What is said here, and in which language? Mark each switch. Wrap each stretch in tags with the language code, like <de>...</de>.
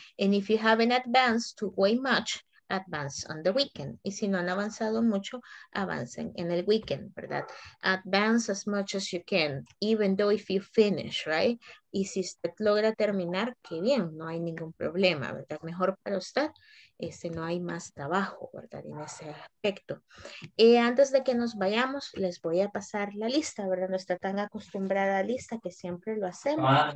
<en>And if you haven't advanced too way much, advance on the weekend.</en> <es>Y si no han avanzado mucho, avancen en el weekend, ¿verdad?</es> <en>Advance as much as you can, even though if you finish, right?</en> <es>Y si usted logra terminar, qué bien, no hay ningún problema, ¿verdad? Mejor para usted. No hay más trabajo, ¿verdad? En ese aspecto. Antes de que nos vayamos, les voy a pasar la lista, ¿verdad? Nuestra tan acostumbrada lista que siempre lo hacemos.</es>